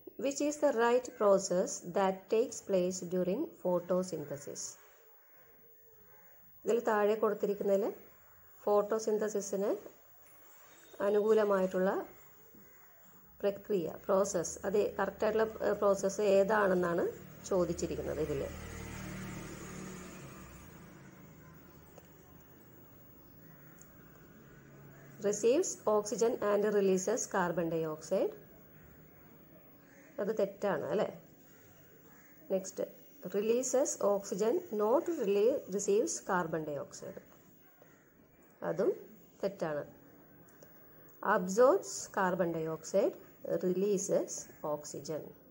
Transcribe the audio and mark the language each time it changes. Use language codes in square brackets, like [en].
[en] Which is the right process that takes place during photosynthesis? [ml] ഇതിൽ താഴെ കൊടുത്തിരിക്കുന്നതിൽ ഫോട്ടോസിന്തസിസിന് അനുകൂലമായിട്ടുള്ള പ്രക്രിയ, പ്രോസസ്, അത് കറക്റ്റായിട്ടുള്ള പ്രോസസ്സ് ഏതാണെന്നാണ് ചോദിച്ചിരിക്കുന്നത് ഇതിൽ. [en] Receives oxygen and releases carbon dioxide. [ml] അത് തെറ്റാണ് അല്ലേ. [en] Next, releases oxygen not receives carbon dioxide. [ml] അതും തെറ്റാണ്. [en] Absorbs carbon dioxide, releases oxygen.